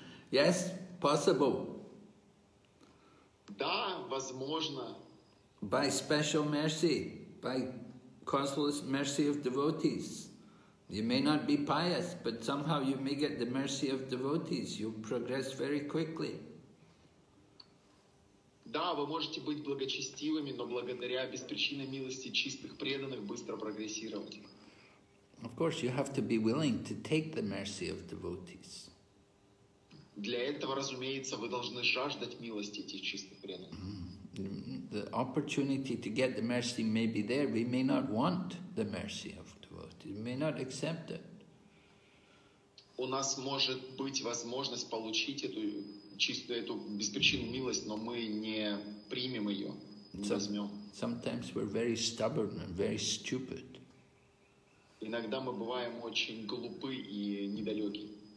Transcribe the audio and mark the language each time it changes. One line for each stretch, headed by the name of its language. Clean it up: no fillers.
English: Yes, possible.
Russian: Да, возможно.
English: By special mercy, by causeless mercy of devotees. You may not be pious, but somehow you may get the mercy of devotees. You progress very quickly.
Russian: Да, вы можете быть благочестивыми, но благодаря беспричинной милости чистых преданных быстро прогрессировать.
English: Of course, you have to be willing to take the mercy of devotees.
Russian: Для этого, разумеется, вы должны жаждать милости этих чистых преданных.
English: The opportunity to get the mercy may be there. We may not want the mercy of devotees. We may not accept it.
Russian: У нас может быть возможность получить эту чистую, эту беспричинную милость, но мы не примем ее, не возьмем.
English: Sometimes we're very stubborn and very stupid.
Russian: Иногда мы бываем очень глупы и недалеки.